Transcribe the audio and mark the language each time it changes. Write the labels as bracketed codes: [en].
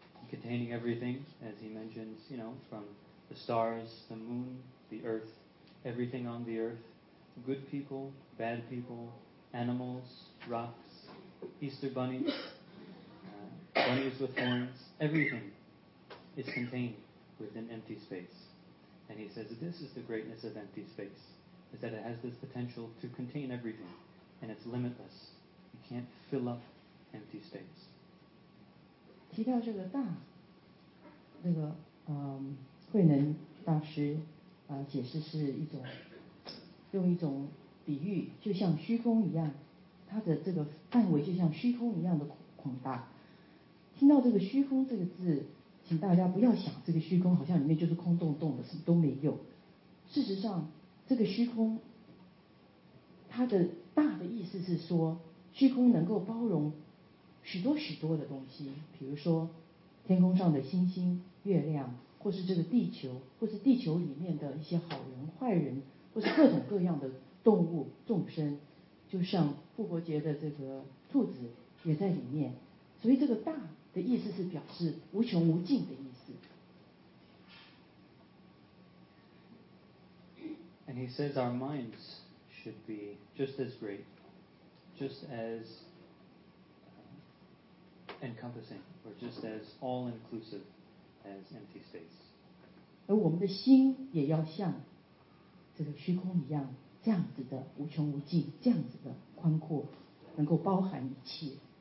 [en] Containing everything, as he mentions, you know, from the stars, the moon, the earth, everything on the earth, good people, bad people, animals, rocks, Easter bunnies, bunnies with horns, everything is contained within empty space. And he says that this is the greatness of empty space, is that it has this potential to contain everything, and it's limitless. You can't fill up empty space. [zh] 提到这个大，那个慧能大师解释是一种用一种比喻，就像虚空一样，它的这个范围就像虚空一样的广大。听到这个虚空这个字，请大家不要想这个虚空好像里面就是空洞洞的，什么都没有。事实上，这个虚空它的大的意思是说，虚空能够包容许多许多的东西，比如说天空上的星星、月亮，或是这个地球，或是地球里面的一些好人、坏人，或是各种各样的动物、众生，就像复活节的这个兔子也在里面。所以这个大的意思是表示无穷无尽的意思。 [en] And he says our minds should be just as great, just as encompassing, or just as all-inclusive as empty space. [zh] 而我们的心也要像这个虚空一样，这样子的无穷无尽，这样子的宽阔，能够包含一切。